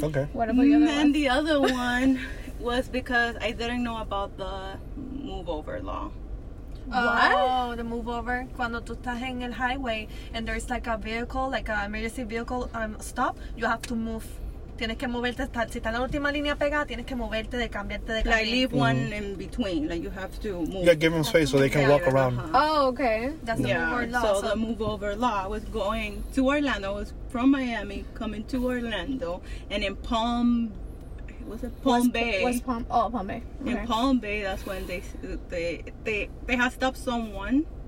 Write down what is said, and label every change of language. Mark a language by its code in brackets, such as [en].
[en] Okay. What about the other one? And the other one was because I didn't know about the move over law. What? Oh, the move over. [es] Cuando tú estás en el highway [en] and there's like a vehicle, like an emergency vehicle stop, you have to move. [es] Tienes que moverte. Si estás en la última línea pegada, tienes que moverte de cambiarte de [en] carril. Like leave one in between. Like you have to move. Yeah, give them space so they can walk around. Uh-huh. Oh, okay. That's the move over law. So the move over law was going to Orlando. I was from Miami coming to Orlando and in Palm Bay. Okay. In Palm Bay, that's when they have stopped someone.